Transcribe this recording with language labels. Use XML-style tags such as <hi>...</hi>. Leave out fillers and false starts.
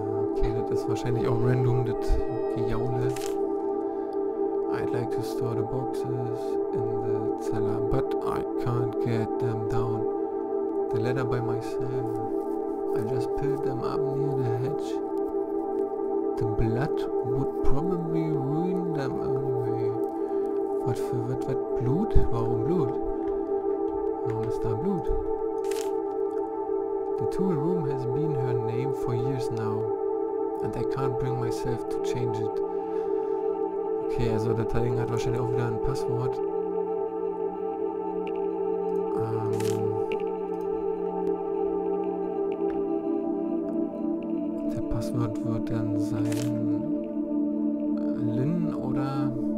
<de>Okay, das ist wahrscheinlich auch random, das Gejaule.</de> <en>I'd like to store the boxes in the cellar, but I can't get them down. The ladder by myself. I just built them up near the hedge. The blood would probably ruin them anyway. What for what</en> <de>Blut? Warum Blut? Warum ist da Blut?</de> <en>The tool room has been her name for years now. And I can't bring myself to change it.</en> <de>Okay, also der Teiling hat wahrscheinlich auch wieder ein Passwort. Der Passwort wird dann sein Lynn oder...</de>